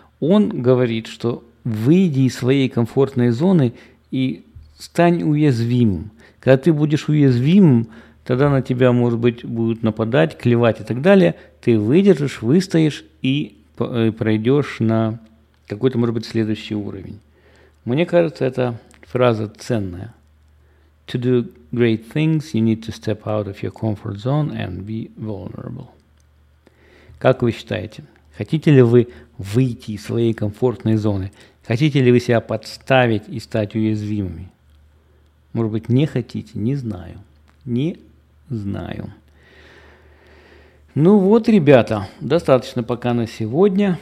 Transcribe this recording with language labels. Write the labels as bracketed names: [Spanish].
[Russian] Он говорит, что выйди из своей комфортной зоны и стань уязвимым. Когда ты будешь уязвимым, тогда на тебя, может быть, будут нападать, клевать и так далее. Ты выдержишь, выстоишь и пройдешь на какой-то, может быть, следующий уровень. Мне кажется, эта фраза ценная. [English] To do great things, you need to step out of your comfort zone and be vulnerable. [Russian] Как вы считаете, хотите ли вы выйти из своей комфортной зоны? Хотите ли вы себя подставить и стать уязвимыми? Может быть, не хотите? Не знаю. Не знаю. Ну вот, ребята, достаточно пока на сегодня.